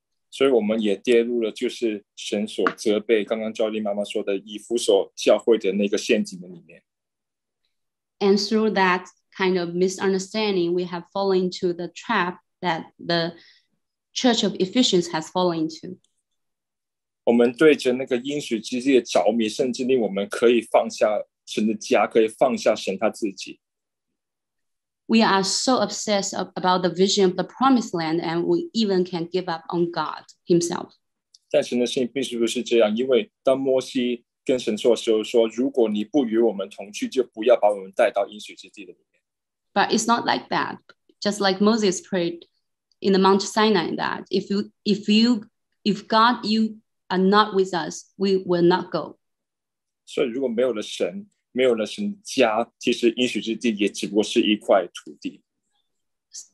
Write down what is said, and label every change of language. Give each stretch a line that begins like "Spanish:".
Chinese: 所以我们也跌入了就是神所责备，刚刚赵丽妈妈说的以弗所教会的那个陷阱的里面。
English: And through that kind of misunderstanding, we have fallen into the trap that the Church of Ephesians has fallen into.
Chinese: 我们对着那个应许之地的着迷，甚至令我们可以放下神的家，可以放下神他自己。
English: We are so obsessed about the vision of the promised land, and we even can give up on God Himself.
Chinese: 但神的心并不是这样，因为当摩西跟神说的时候说，如果你不与我们同去，就不要把我们带到应许之地的里面。
English: But it's not like that. Just like Moses prayed in the Mount Sinai that if God are not with us, we will not go. So if there is no God, no God's house, actually, the promised land is only a piece of land.